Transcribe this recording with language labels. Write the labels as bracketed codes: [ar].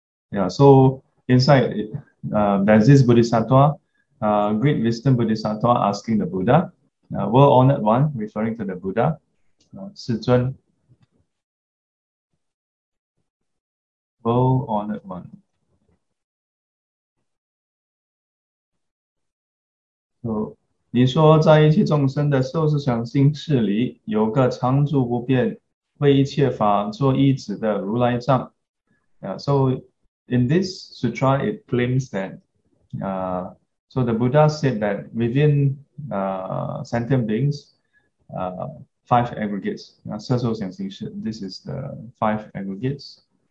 [en] Yeah, so inside there's this Bodhisattva, great wisdom Bodhisattva asking the Buddha, world-honored one, referring to the Buddha, Sijun, world-honored one. [zh] So, 你说在一切众生的受思想心识里有个常住不变。为一切法作依止的如来藏， [en] So in this sutra, it claims that, so the Buddha said that within sentient beings, five aggregates, so this is the five aggregates,